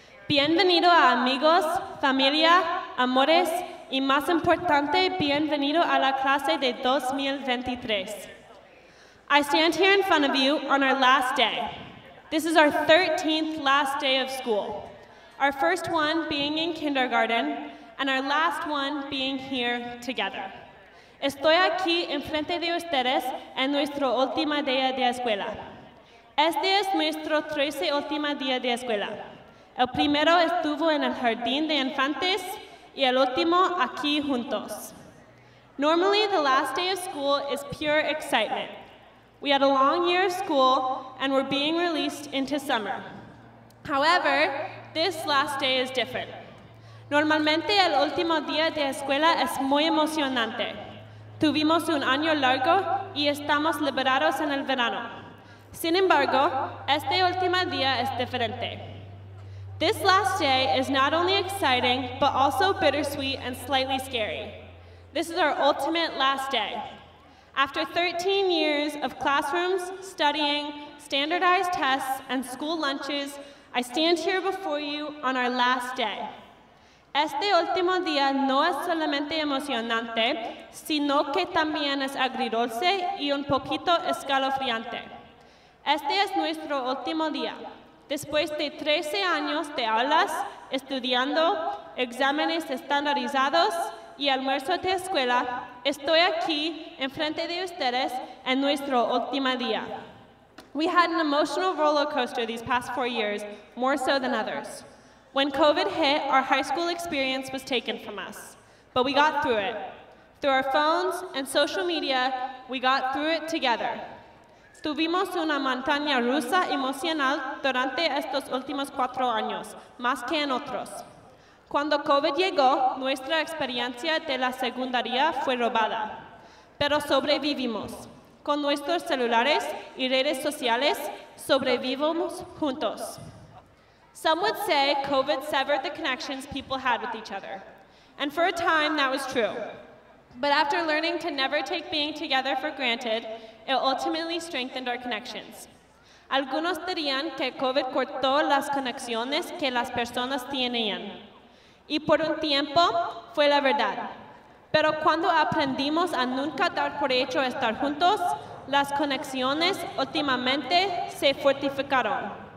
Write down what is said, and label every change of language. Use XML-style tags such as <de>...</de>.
<es>Bienvenido a amigos, familia, amores, y más importante, bienvenido a la clase de 2023.</es> <en>I stand here in front of you on our last day. This is our 13th last day of school, our first one being in kindergarten, and our last one being here together.</en> <es>Estoy aquí enfrente de ustedes en nuestro último día de escuela. Este es nuestro 13 último día de escuela. El primero estuvo en el jardín de infantes, y el último aquí juntos.</es> <en>Normally, the last day of school is pure excitement. We had a long year of school and we're being released into summer. However, this last day is different.</en> <es>Normalmente, el último día de escuela es muy emocionante. Tuvimos un año largo y estamos liberados en el verano. Sin embargo, este último día es diferente.</es> <en>This last day is not only exciting, but also bittersweet and slightly scary. This is our ultimate last day. After 13 years of classrooms, studying, standardized tests, and school lunches, I stand here before you on our last day.</en> <es>Este último día no es solamente emocionante, sino que también es agridulce y un poquito escalofriante. Este es nuestro último día. Después de 13 años de aulas, estudiando, exámenes estandarizados y almuerzo de escuela, estoy aquí en frente de ustedes en nuestro último día.</es> <en>We had an emotional roller coaster these past 4 years, more so than others. When COVID hit, our high school experience was taken from us, but we got through it. Through our phones and social media, we got through it together.</en> <es>Tuvimos una montaña rusa emocional durante estos últimos 4 años, más que en otros. Cuando COVID llegó, nuestra experiencia de la secundaria fue robada. Pero sobrevivimos. Con nuestros celulares y redes sociales, sobrevivimos juntos.</es> <en>Some would say COVID severed the connections people had with each other. And for a time, that was true. But after learning to never take being together for granted, it ultimately strengthened our connections.</en> <es>Algunos dirían que COVID cortó las conexiones que las personas tenían. Y por un tiempo, fue la verdad. Pero cuando aprendimos a nunca dar por hecho estar juntos, las conexiones últimamente se fortificaron.</es>